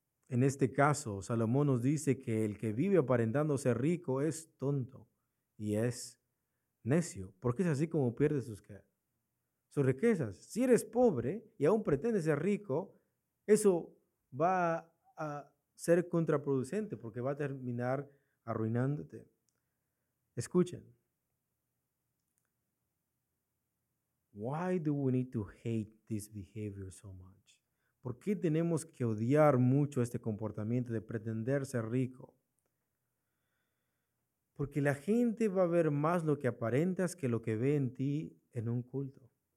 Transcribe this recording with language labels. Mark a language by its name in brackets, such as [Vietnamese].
[Spanish] En este caso, Salomón nos dice que el que vive aparentando ser rico es tonto y es necio, porque es así como pierde sus riquezas. Si eres pobre y aún pretendes ser rico, eso va a ser contraproducente porque va a terminar arruinándote. Escuchen, [English] Why do we need to hate this behavior so much? [Spanish] ¿Por qué tenemos que odiar mucho este comportamiento de pretender ser rico? Porque la gente va a ver más lo que aparentas que lo que ve en ti en un culto.